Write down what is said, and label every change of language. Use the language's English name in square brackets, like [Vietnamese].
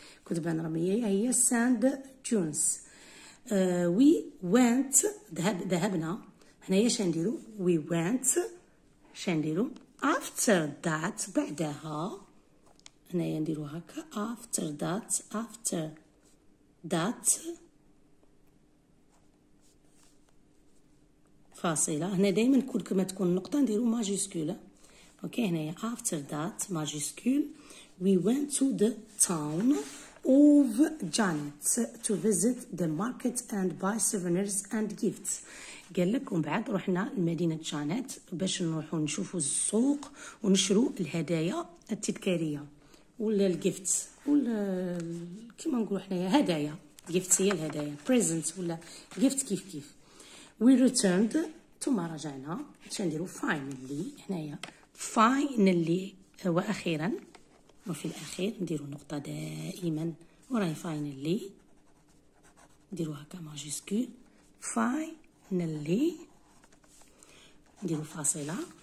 [Arabic] كتبان الرمليه هي [English] sand dunes. [Arabic] وي [English] went [Arabic] ذهبنا هنايا شنو نديروا وي went شنو نديروا [English] after that [Arabic] بعدها هنايا نديرو هكا after that فاصلة هنا دايما كل كما تكون نقطة نديرو ماجيسكول. اوكي هنايا [English] after that ماجيسكول we went to the town of Janet to visit the market and buy souvenirs and gifts. [Arabic] قال لك ومن بعد رحنا لمدينة جانيت باش نروحو نشوفو السوق ونشرو الهدايا التذكارية ولا الجيفت ولا كيما نقولوا حنايا هدايا جيفت هي الهدايا بريزنت ولا جيفت كيف كيف. [English] we returned [Arabic] ثم رجعنا باش نديرو فاينلي هنايا فاينلي واخيرا وفي الاخير نديرو نقطه دائما وراي فاينلي نديرو هكا ماجيسكول فاينلي نديرو فاصله.